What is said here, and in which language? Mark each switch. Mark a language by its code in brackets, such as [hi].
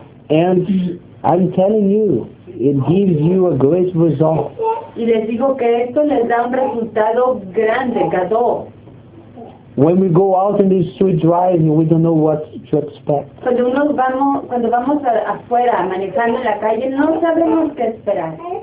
[en] And I'm telling you, it gives you a great result. [es] Y les digo que esto les da un resultado grande, gadol. [en] When we go out in the street driving, we don't know what to expect. [es] Cuando vamos afuera manejando en la calle, no sabemos qué esperar.